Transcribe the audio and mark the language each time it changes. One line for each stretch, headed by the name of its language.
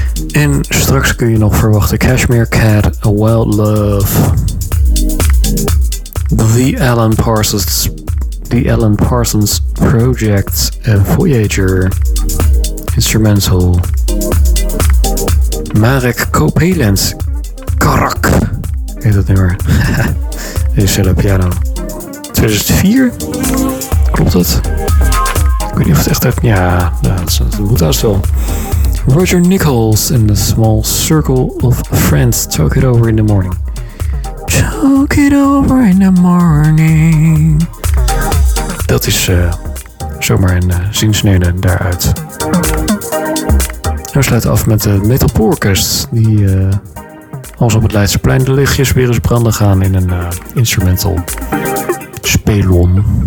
Dutch: En straks kun je nog verwachten Cashmere Cat, A Wild Love, The Alan Parsons Project, Voyager, Instrumental, Marek Copeland, Karak, heet dat nummer, is cello piano. 2004? Klopt dat? Ik weet niet of het echt heeft. Ja, dat moet haast wel.
English: Roger Nichols in the Small Circle of Friends. Talk it over in the morning. Talk it over in the morning.
Dutch: Dat is zomaar een zinsnede daaruit. We sluiten af met de Metal Porkers. Die als op het Leidseplein de lichtjes weer eens branden gaan in een instrumental spelon.